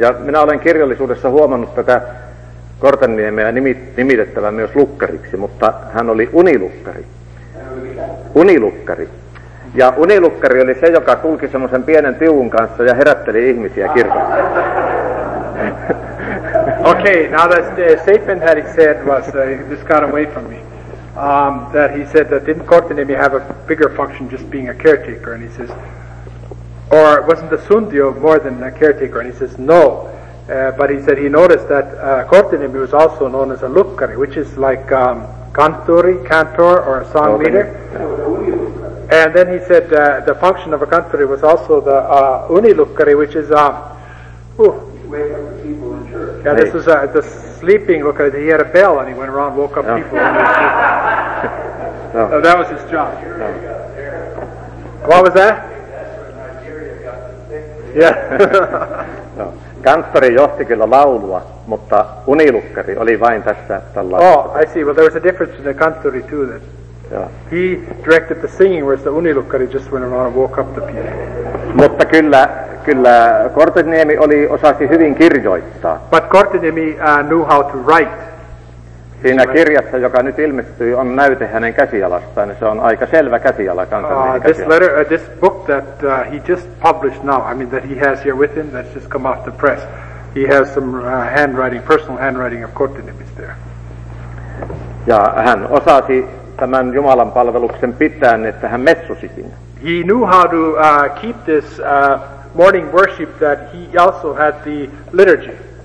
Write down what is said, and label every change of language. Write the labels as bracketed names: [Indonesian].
[Finnish] Ja minä olen kirjallisuudessa huomannut tätä Kortenniemeä nimitettävän myös lukkariksi, mutta hän oli unilukkari. Unilukkari. Ja unilukkari oli se, joka kulki semmoisen pienen tiuun kanssa ja herätteli ihmisiä kirkossa. [English] Okay, now that Seifen had it said was, this got away from me, that he said that didn't Kortenniemi have a bigger function just being a caretaker? And he says, or wasn't the Sundio more than a caretaker? And he says, no. But he said he noticed that Kortenniemi was also known as a lukkari, which is like cantor or a song leader. And then he said the function of a cantori was also the unilukkari, which is... Yeah, this was the sleeping lukkari. He had a bell and he went around, woke up people. And was so that was his job. No. What was that? Yeah. [Finnish] Kanttori johti kyllä laulua, mutta unilukkari oli vain tässä tällä. [English] Oh, I see. Well, there was a difference in the kanttori too then. Yeah. He directed the singing, whereas the unilukkari just went around and woke up the people. [Finnish] Mutta kyllä Kortenniemi osasi hyvin kirjoittaa. [English] But Kortenniemi knew how to write. [Finnish] Siinä kirjassa, joka nyt ilmestyi, on näyte hänen käsialastaan. Se on aika selvä käsiala, kansallinen käsiala. [English] This letter, this book that he just published now, I mean that he has here with him, that's just come off the press. He has some handwriting, personal handwriting of Kortenniemi's there. [Finnish] Ja hän osasi tämän Jumalan palveluksen pitää, että hän messusi siinä. [English] He knew how to keep this morning worship that he also had the liturgy.